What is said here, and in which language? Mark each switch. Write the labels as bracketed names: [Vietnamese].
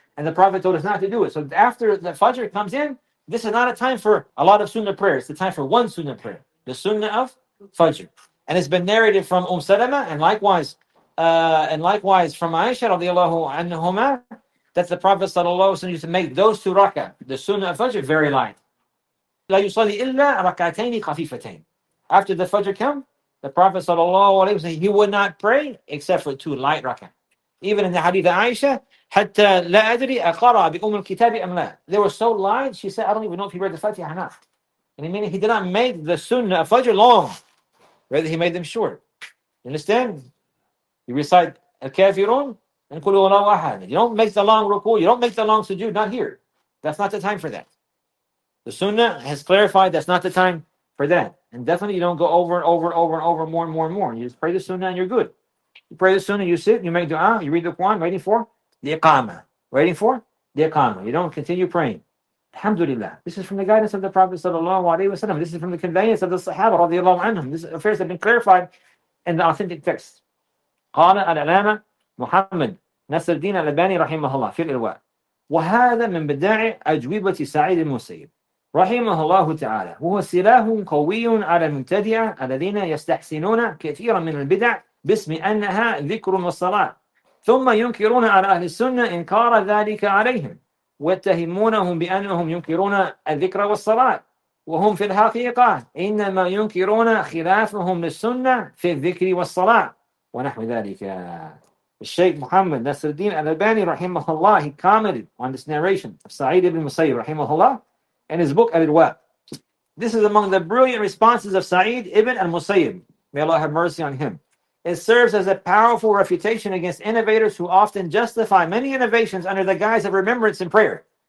[English] And the Prophet told us not to do it. So after the Fajr comes in, this is not a time for a lot of sunnah prayers. It's the time for one sunnah prayer, the sunnah of Fajr. And it's been narrated from Salama, and likewise from Aisha radiallahu anhuma, that the Prophet sallallahu alaihi wasallam used to make those two rak'ah, the sunnah of Fajr, very light. [Arabic] لا يصلي إلا ركعتين خفيفتين. [English] After the Fajr come, the Prophet sallallahu alaihi wasallam, he would not pray except for two light rak'ah. Even in the hadith of Aisha, [Arabic] حَتَّى لَا أَدْرِي أَقَرَى بِأُمُّ الْكِتَابِ أَمْ لَا. [English] They were so light, she said, I don't even know if he read the Fatiha or not. And meaning he did not make the sunnah of Fajr long. Rather, he made them short. You understand? You recite Al-Kafirun and [Arabic] قُلُوا وَلَوْا أَحَدٍ. [English] You don't make the long ruku', you don't make the long sujood, not here. That's not the time for that. The sunnah has clarified that's not the time for that. And definitely you don't go over and over and over and over more and more and more. You just pray the sunnah and you're good. You pray the sunnah, you sit, you make dua, you read the Quran, waiting for the iqamah. Waiting for the iqamah. You don't continue praying. Alhamdulillah. This is from the guidance of the Prophet sallallahu alaihi wasallam. This is from the conveyance of the Sahaba radiallahu anhum. These affairs have been clarified in the authentic text. [Arabic] Qala al-alama Muhammad Nasruddin al-Albani rahimahullah fil ilwa. وهذا من بداع أجوبة سعيد المسيب رحمه الله تعالى وهو سلاح قوي على المبتدعة الذين يستحسنون كثيرا من البدع باسم أنها ذكر والصلاة ثم ينكرون على أهل السنة إنكار ذلك عليهم واتهمونهم بأنهم ينكرون الذكر والصلاة وهم في الحقيقة إنما ينكرون خلافهم للسنة في الذكر والصلاة ونحو ذلك. [English] Sheikh Muhammad Nasruddin al-Albani rahimahullah, he commented on this narration of Sa'id ibn Musayyib rahimahullah in his book Al-Idwa. This is among the brilliant responses of Sa'id ibn al-Musayyib. May Allah have mercy on him. It serves as a powerful refutation against innovators who often justify many innovations under the guise of remembrance and prayer.